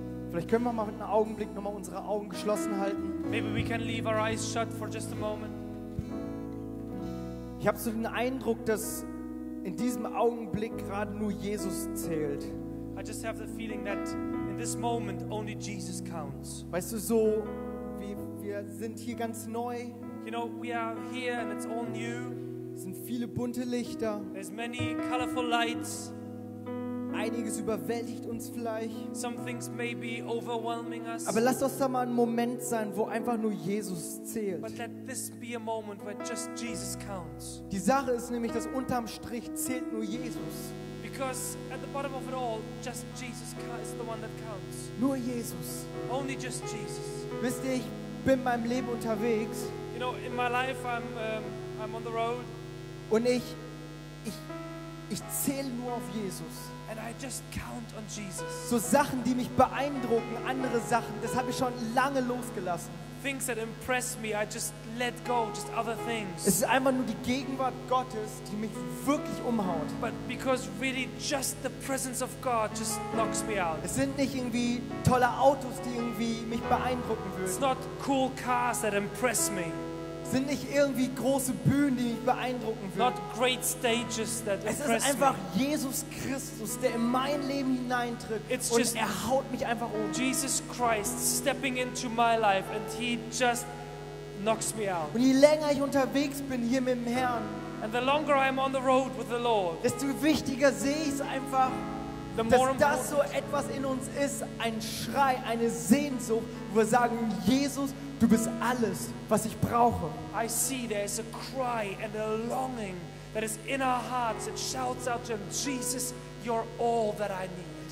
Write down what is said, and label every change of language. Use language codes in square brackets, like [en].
[de] Vielleicht können wir mal einen Augenblick noch mal unsere Augen geschlossen halten. [en] Maybe we can leave our eyes shut for just a moment. [de] Ich habe so den Eindruck, dass in diesem Augenblick gerade nur Jesus zählt. [en] I just have the feeling that in this moment only Jesus counts. [de] Weißt du, so wie wir sind hier ganz neu. [en] You know, we are here and it's all new. [de] Es sind viele bunte Lichter. [en] There's many colorful lights. [de] Einiges überwältigt uns vielleicht. [en] Some things may be overwhelming us. [de] Aber lass uns da mal einen Moment sein, wo einfach nur Jesus zählt. [en] But let this be a moment where just Jesus counts. [de] Die Sache ist nämlich, dass unterm Strich zählt nur Jesus. [en] Because at the bottom of it all, just Jesus is the one that counts. [de] Nur Jesus. [en] Only just Jesus. [de] Wisst ihr, ich bin in meinem Leben unterwegs. [en] You know, in my life I'm on the road. [de] Und ich zähle nur auf Jesus. [en] And I just count on Jesus. [de] So Sachen, die mich beeindrucken, andere Sachen, das habe ich schon lange losgelassen. [en] Things that impress me, I just let go, just other things. [de] Es ist einfach nur die Gegenwart Gottes, die mich wirklich umhaut. [en] But because really just the presence of God just knocks me out. [de] Es sind nicht irgendwie tolle Autos, die irgendwie mich beeindrucken würden. [en] It's not cool cars that impress me. [de] Es sind nicht irgendwie große Bühnen, die mich beeindrucken würden. [en] Not great stages that impress me. [de] Es ist einfach Jesus Christus, der in mein Leben hineintritt. [en] It's [de] und [en] just [de] er haut mich einfach um. [en] Jesus Christ stepping into my life and he just knocks me out. [de] Und je länger ich unterwegs bin hier mit dem Herrn, [en] and the longer I'm on the road with the Lord, [de] desto wichtiger sehe ich es einfach, dass das so etwas in uns ist, ein Schrei, eine Sehnsucht, wo wir sagen, Jesus, du bist alles, was ich brauche. [en] I see there is a cry and a longing that is in our hearts that shouts out to him, Jesus, you're all that I need.